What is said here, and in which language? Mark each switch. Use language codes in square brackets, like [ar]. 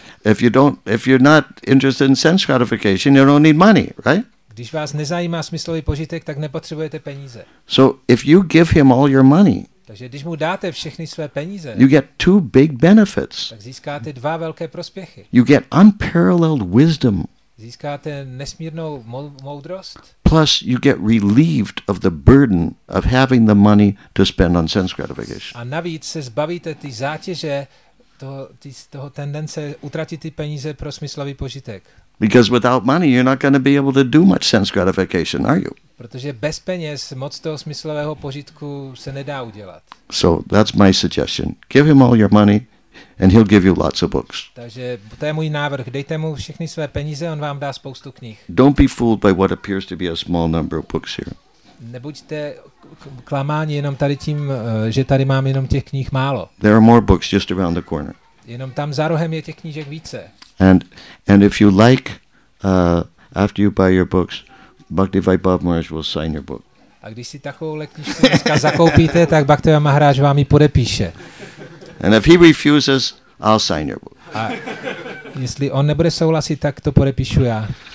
[en] If you're not interested in sense gratification, you don't need money, right? [cs] Když vás nezajímá smyslový požitek, tak nepotřebujete peníze. [en] So if you give him all your money, [cs] takže když mu dáte všechny své peníze, [en] you get two big benefits. [cs] Tak získáte dva velké prospěchy. [en] You get unparalleled wisdom. [cs] získáte nesmírnou moudrost. [en] Plus you get relieved of the burden of having the money to spend on sense gratification. [cs] A navíc se zbavíte ty zátěže toho tendence utratit ty peníze pro smyslový požitek. [en] Because without money you're not going to be able to do much sense gratification, are you? [cs] Protože bez peněz moc toho smyslového požitku se nedá udělat. [en] So that's my suggestion. Give him all your money and he'll give you lots of books. [cs] Takže to je můj návrh. Dejte mu všechny své peníze, on vám dá spoustu knih. [en] Don't be fooled by what appears to be a small number of books here. [cs] Nebuďte klamáni jenom tady tím, že tady mám jenom těch knih málo. [en] There are more books just around the corner. [cs] Jenom tam za rohem je těch knížek více. [en] And if you like, after you buy your books, Bhaktivaibhav Maharaj will sign your book. [cs] A když si takovouhle knížku dneska zakoupíte, tak Bhaktivaibhav Maharaj vám ji podepíše. [en] And if he refuses, I'll sign your book. [cs] A jestli on nebude souhlasit, tak to podepíšu já.